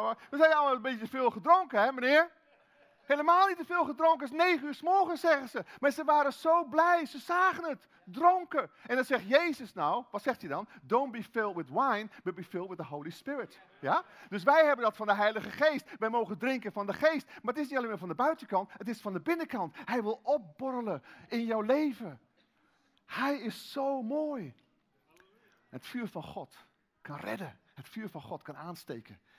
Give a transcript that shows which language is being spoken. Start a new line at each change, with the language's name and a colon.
Dutch: We zijn allemaal een beetje veel gedronken, hè, meneer? Helemaal niet te veel gedronken, het is 9:00 's morgens, zeggen ze. Maar ze waren zo blij, ze zagen het, dronken. En dan zegt Jezus nou, wat zegt hij dan?
English: Don't be filled with wine, but be filled with the Holy Spirit.
Dutch: Ja? Dus wij hebben dat van de Heilige Geest. Wij mogen drinken van de Geest. Maar het is niet alleen maar van de buitenkant, het is van de binnenkant. Hij wil opborrelen in jouw leven. Hij is zo mooi. Het vuur van God kan redden. Het vuur van God kan aansteken.